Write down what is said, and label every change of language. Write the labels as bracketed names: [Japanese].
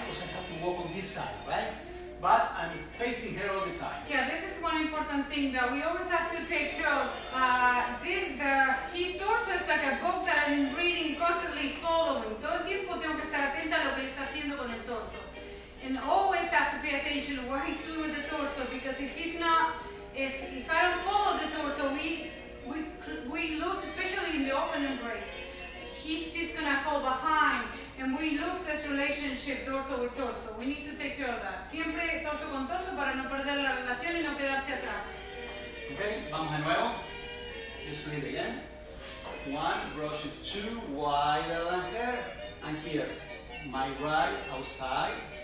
[English] Because I have to walk on this side, right? But I'm facing her all the time. Yeah, this is one important thing that we always have to take care of. His torso is like a book that I'm reading, constantly following. [Spanish] Todo el tiempo tengo que estar atenta a lo que él está haciendo con el torso. [English] And always have to pay attention to what he's doing with the torso, because if he's not, if I don't follow the torso, we lose, especially in the open embrace. He's just gonna fall behind, and we lose this relationship torso with torso. We need to take care of that. [Spanish] Siempre torso con torso para no perder la relación y no quedarse atrás. [English] Okay, [Spanish] vamos de nuevo. [English] Let's lead again. One, brush it two, wider than here, and here. My right outside.